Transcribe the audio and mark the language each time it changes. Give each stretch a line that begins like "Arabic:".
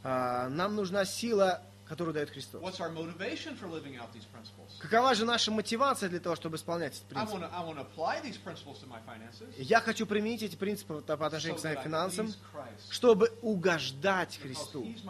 Russian: Нам нужна сила, которую дает Христос.
English: What's our motivation for living out these principles?
Russian: Какова же наша мотивация для того, чтобы исполнять эти принципы?
English: I want to apply these principles to my finances.
Russian: Я хочу применить эти принципы по отношению к своим финансам, чтобы угождать Христу.